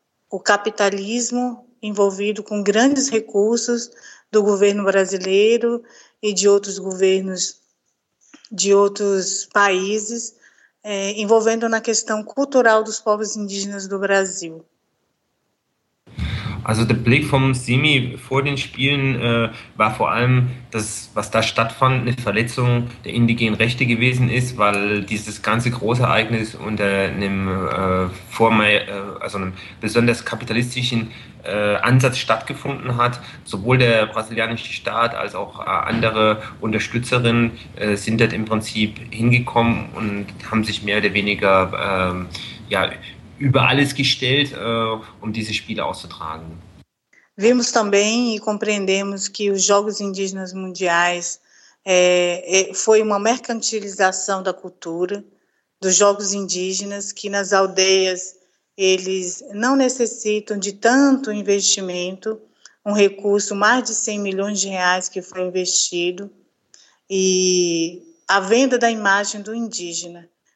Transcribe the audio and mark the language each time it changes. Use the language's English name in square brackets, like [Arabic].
[Portuguese] O capitalismo envolvido com grandes recursos do governo brasileiro e de outros governos de outros países, envolvendo na questão cultural dos povos indígenas do Brasil. [German] Also der Blick vom Simi vor den Spielen war vor allem das, was da stattfand, eine Verletzung der indigenen Rechte gewesen ist, weil dieses ganze Großereignis unter einem einem besonders kapitalistischen Ansatz stattgefunden hat. Sowohl der brasilianische Staat als auch andere Unterstützerinnen sind dort im Prinzip hingekommen und haben sich mehr oder weniger über alles gestellt, um diese Spiele auszutragen. [Portuguese] Vimos também e compreendemos que os Jogos Indígenas Mundiais foi uma mercantilização da cultura, dos Jogos Indígenas, que nas aldeias eles não necessitam de tanto investimento, um recurso, mais de 100 milhões de reais que foi investido, e a venda da imagem do indígena.